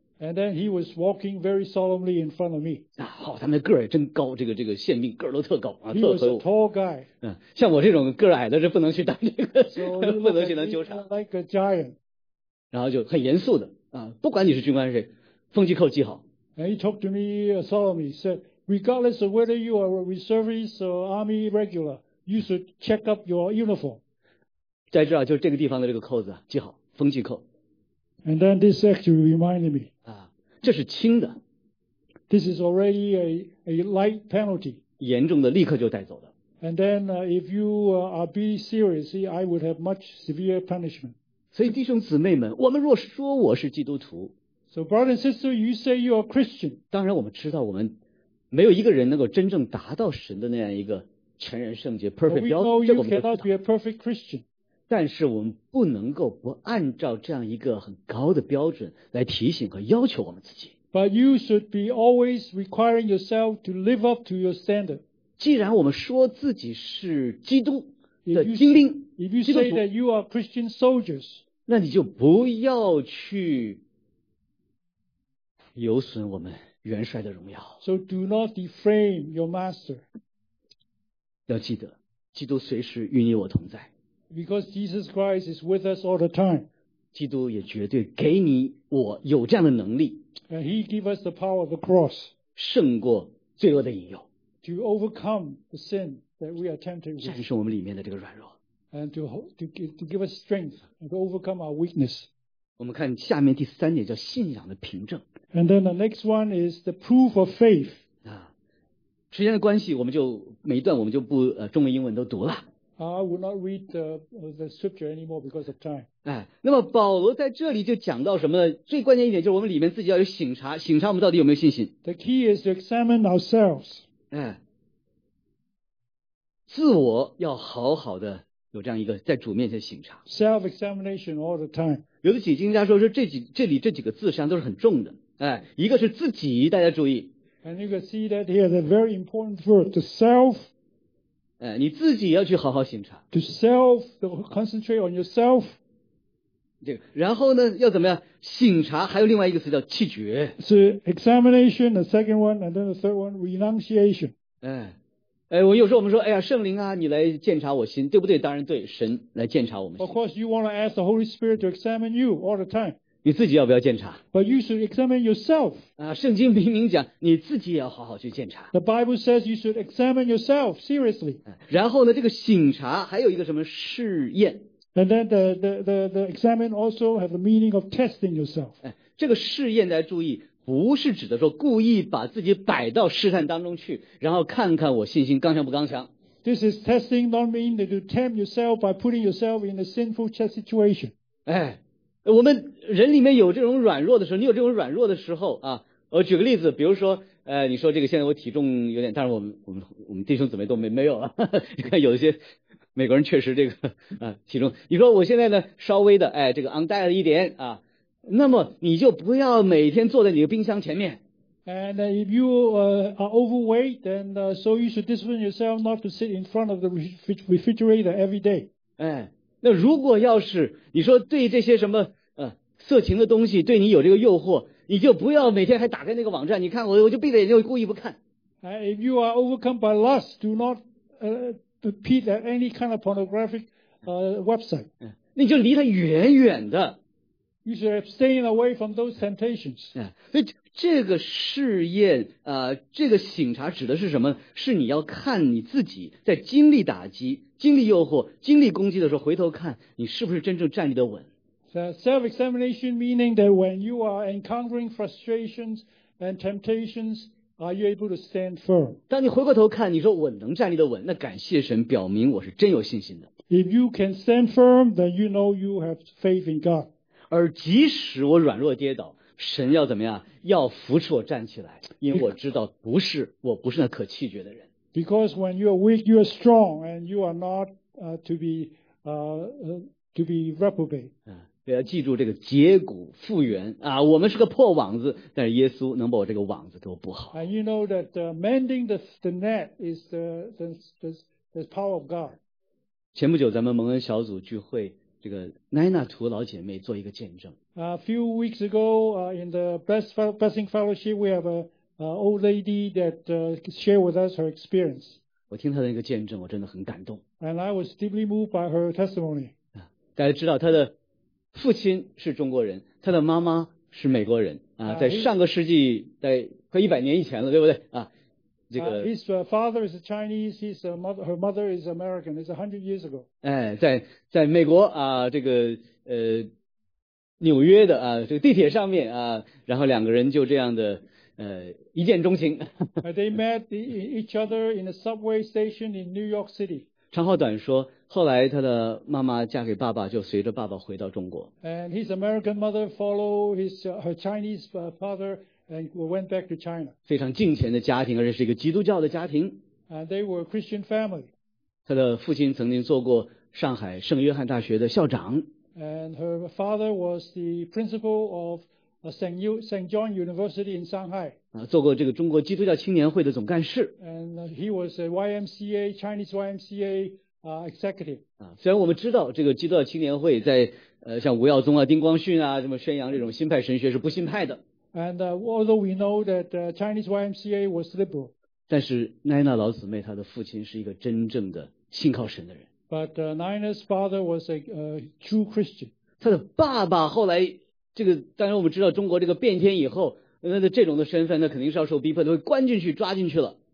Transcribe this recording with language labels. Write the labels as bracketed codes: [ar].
[en] And then he was walking very solemnly in front of me. [zh] 他们的个儿也真高，这个宪兵个儿都特高啊，特魁梧。 [en] He was a tall guy. [zh] 像我这种个矮的是不能去当这个， [en] so、 [zh] 不能去当纠察。 [en] Like a giant. [zh] 然后就很严肃的啊，不管你是军官是谁，风纪扣系好。 [en] And he talked to me solemnly, said, regardless of whether you are a reservist or army regular, you should check up your uniform. [zh] 在这儿就这个地方的这个扣子系好，风纪扣。 [en] And then this actually reminded me. [zh] 这是轻的。 [en] This is already a light penalty. [zh] 严重的立刻就带走了。 [en] And then if you are being serious, I would have much severe punishment. [zh] 所以弟兄姊妹们，我们若说我是基督徒。 [en] So brother and sister, you say you are Christian. [zh] 当然我们知道我们没有一个人能够真正达到神的那样一个全人圣洁 perfect 标准。 [en] We know you cannot be a perfect Christian. [zh] 但是我们不能够不按照这样一个很高的标准来提醒和要求我们自己。 [en] But you should be always requiring yourself to live up to your standard. [zh] 既然我们说自己是基督，的精兵。 [en] If you say that you are Christian soldiers, [zh] 那你就不要去有损我们元帅的荣耀。 [en] So do not defame your master. [zh] 要记得，基督随时与你我同在。 [en] Because Jesus Christ is with us all the time. [zh] 基督也绝对给你我有这样的能力。 [en] And he gave us the power of the cross. [zh] 胜过罪恶的引诱。 [en] To overcome the sin that we are tempted with. [zh] 战胜我们里面的这个软弱。 [en] And to give us strength to overcome our weakness. [zh] 我们看下面第三点叫信仰的凭证。 [en] And then the next one is the proof of faith. [zh] 时间的关系，我们就每一段我们就不中文英文都读了。 [en] I will not read the scripture anymore because of time. [zh] 那么保罗在这里就讲到什么呢？最关键一点就是我们里面自己要有省察，省察我们到底有没有信心。 [en] The key is to examine ourselves. [zh] 自我要好好的有这样一个在主面前省察。 [en] Self-examination all the time. [zh] 有的解经家说是这里这几个字实际上都是很重的。一个是自己，大家注意。 [en] And you can see that here, the very important word, the self. [zh] 你自己要去好好省察。 [en] To self, to concentrate on yourself. [zh] 这个，然后呢，要怎么样？省察还有另外一个词叫弃绝。 [en] So examination, the second one, and then the third one, renunciation. [zh] 我有时候我们说，哎呀，圣灵啊，你来检查我心，对不对？当然对，神来检查我们心。 [en] Of course, you want to ask the Holy Spirit to examine you all the time. [zh] 你自己要不要检查 [en] ？But you should examine yourself. [zh] 圣经明明讲，你自己也要好好去检查。 [en] The Bible says you should examine yourself seriously. [zh] 然后呢，这个省察还有一个什么试验 [en] ？And then the examine also have the meaning of testing yourself. [zh] 这个试验大家注意，不是指的说故意把自己摆到试探当中去，然后看看我信心刚强不刚强。 [en] This is testing, not mean that you tempt yourself by putting yourself in a sinful test situation. [zh] 我们人里面有这种软弱的时候，你有这种软弱的时候啊。我举个例子，比如说，你说这个现在我体重有点，但是我们弟兄姊妹都没有了。你看有一些美国人确实这个体重，你说我现在呢稍微的这个 [en] on diet [zh] 了一点啊，那么你就不要每天坐在你的冰箱前面。 [en] And if you are overweight, then so you should discipline yourself not to sit in front of the refrigerator every day. [zh] 那如果要是你说对这些什么色情的东西对你有这个诱惑，你就不要每天还打开那个网站，你看我就闭着眼睛故意不看。 [en] If you are overcome by lust, do not peep at any kind of pornographic website. [zh] 你就离它远远的。 [en] You should abstain away from those temptations. [zh] 所以这个试验这个省察指的是什么？是你要看你自己在经历打击、经历诱惑、经历攻击的时候，回头看你是不是真正站立得稳。 [en] So self-examination meaning that when you are encountering frustrations and temptations, are you able to stand firm? [zh] 当你回过头看，你说我能站立得稳，那感谢神，表明我是真有信心的。 [en] If you can stand firm, then you know you have faith in God. [zh] 而即使我软弱跌倒，神要怎么样？要扶持我站起来，因为我知道我不是那可弃绝的人。 [en] Because when you are weak, you are strong, and you are not to be reprobate. [zh] 对，要记住这个结骨复原啊！我们是个破网子，但是耶稣能把我这个网子都补好。 [en] And you know that mending the net is the power of God. [zh] 前不久咱们蒙恩小组聚会，这个奈娜图老姐妹做一个见证。 [en] A few weeks ago, in the Blessing Fellowship, we have an old lady that shared with us her experience. [zh] 我听她的那个见证，我真的很感动。 [en] And I was deeply moved by her testimony. [zh] 大家知道她的父亲是中国人，她的妈妈是美国人啊，在上个世纪，在快100年以前了，对不对啊？这个 [en] His father is Chinese. Her mother is American. It's 100 years ago. [zh] 在美国啊，这个纽约的啊，这个地铁上面啊，然后两个人就这样的一见钟情。 [en] They met each other in a subway station in New York City. [zh] 长话短说，后来他的妈妈嫁给爸爸，就随着爸爸回到中国。 [en] And his American mother followed her Chinese father and went back to China. [zh] 非常敬虔的家庭，而且是一个基督教的家庭。 [en] And they were a Christian family. [zh] 他的父亲曾经做过上海圣约翰大学的校长。 [en] And her father was the principal of St. John University in Shanghai. [zh] 做过这个中国基督教青年会的总干事。 [en] And he was a YMCA, Chinese YMCA executive. [zh] 虽然我们知道这个基督教青年会在像吴耀宗啊、丁光训啊这么宣扬这种新派神学是不新派的。 [en] And although we know that the Chinese YMCA was liberal. [zh] 但是奈娜老姊妹她的父亲是一个真正的信靠神的人。 [en] But Naina's father was a true Christian. [zh] 她的爸爸后来这个当然我们知道中国这个变天以后那这种的身份那肯定是要受逼迫的会关进去抓进去了。